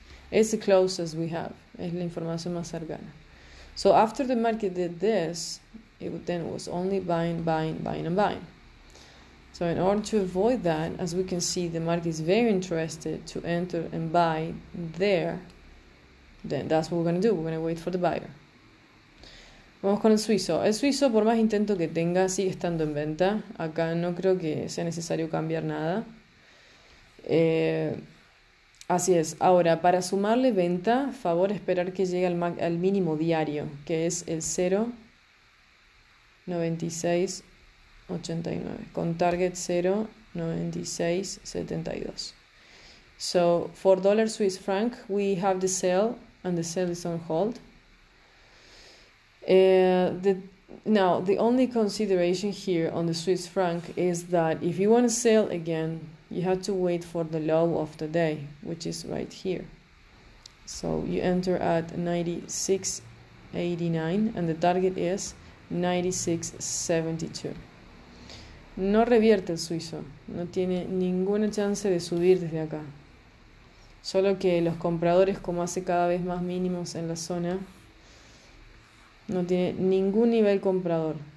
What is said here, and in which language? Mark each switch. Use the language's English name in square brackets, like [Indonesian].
[English] It's the closest we have. [Spanish] Es la información más cercana. [English] So after the market did this, then was only buying, buying, buying, and buying. So in order to avoid that, as we can see, the market is very interested to enter and buy there. Then that's what we're gonna do. We're gonna wait for the buyer. [Spanish] Vamos con el suizo. El suizo, por más intento que tenga, sigue estando en venta. Acá no creo que sea necesario cambiar nada. Así es. Ahora, para sumarle venta, favor esperar que llegue al mínimo diario, que es el 0.9689, con target 0.9672. [English] So, for dollar Swiss franc, we have the sell, and the sell is on hold. Now, the only consideration here on the Swiss franc is that if you want to sell again, you have to wait for the low of the day, which is right here. So you enter at 96.89 and the target is 96.72. [Spanish] No revierte el suizo, no tiene ninguna chance de subir desde acá. Solo que los compradores, como hace cada vez más mínimos en la zona, no tiene ningún nivel comprador.